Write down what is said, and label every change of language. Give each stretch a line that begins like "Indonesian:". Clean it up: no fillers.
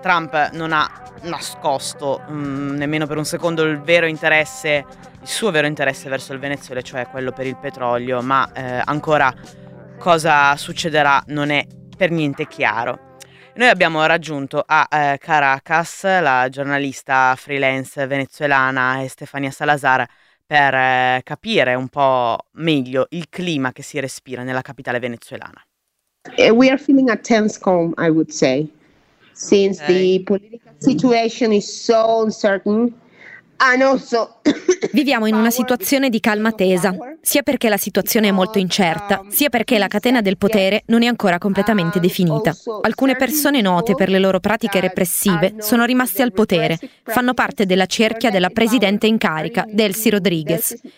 Italian: Trump non ha nascosto nemmeno per un secondo il suo vero interesse verso il Venezuela, cioè quello per il petrolio, ma ancora cosa succederà non è per niente chiaro. Noi abbiamo raggiunto a Caracas la giornalista freelance venezuelana Estefania Salazar per capire un po' meglio il clima che si respira nella capitale venezuelana.
English: We are feeling a tense calm, I would say. Since the political situation is so uncertain, and also
Italian: viviamo in una situazione di calma tesa, sia perché la situazione è molto incerta, sia perché la catena del potere non è ancora completamente definita. Alcune persone note per le loro pratiche repressive sono rimaste al potere, fanno parte della cerchia della presidente in carica, Delcy Rodríguez.